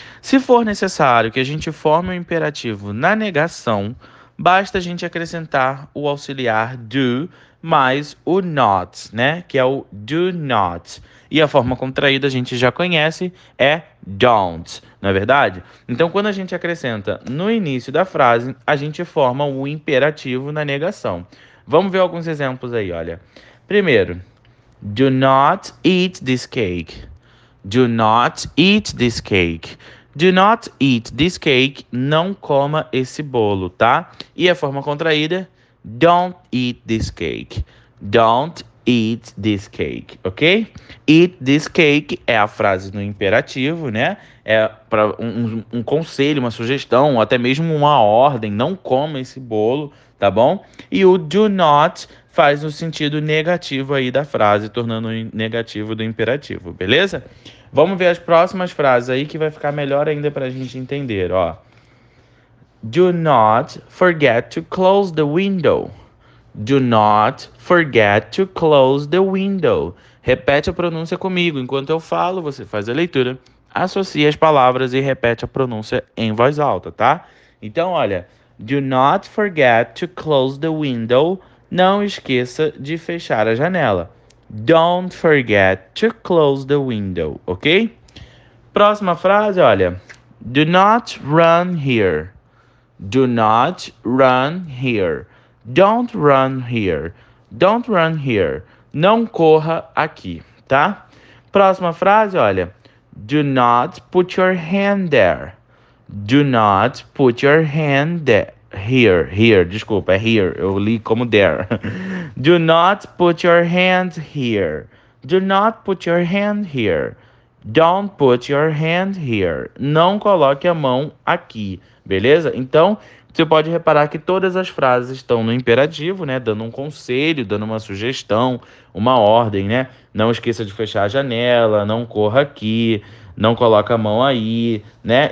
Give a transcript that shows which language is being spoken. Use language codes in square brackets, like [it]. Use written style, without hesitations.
[pt] Se for necessário que a gente forme o imperativo na negação, basta a gente acrescentar o auxiliar do mais o not, né? Que é o do not. E a forma contraída a gente já conhece é don't, não é verdade? Então, quando a gente acrescenta no início da frase, a gente forma o imperativo na negação. Vamos ver alguns exemplos aí, olha. Primeiro, [en] do not eat this cake. Do not eat this cake. Do not eat this cake. [pt] Não coma esse bolo, tá? E a forma contraída? [en] Don't eat this cake. Don't eat this cake, ok? Eat this cake [pt] é a frase no imperativo, né? É para um conselho, uma sugestão, ou até mesmo uma ordem. Não coma esse bolo, tá bom? E o do not faz no sentido negativo aí da frase, tornando negativo do imperativo, beleza? Vamos ver as próximas frases aí que vai ficar melhor ainda para a gente entender, ó. [en] Do not forget to close the window. Do not forget to close the window. [pt] Repete a pronúncia comigo. Enquanto eu falo, você faz a leitura, associa as palavras e repete a pronúncia em voz alta, tá? Então, olha. [en] Do not forget to close the window. [pt] Não esqueça de fechar a janela. [en] Don't forget to close the window, ok? [pt] Próxima frase, olha. [en] Do not run here. Do not run here. Don't run here. Don't run here. [pt] Não corra aqui, tá? Próxima frase, olha. [en] Do not put your hand there. Do not put your hand there. [pt] Here, desculpa, é here, eu li como there. [en] Do not put your hand here. Do not put your hand here. Don't put your hand here. [pt] Não coloque a mão aqui, beleza? Então, você pode reparar que todas as frases estão no imperativo, né? Dando um conselho, dando uma sugestão, uma ordem, né? Não esqueça de fechar a janela, não corra aqui, não coloca a mão aí, né?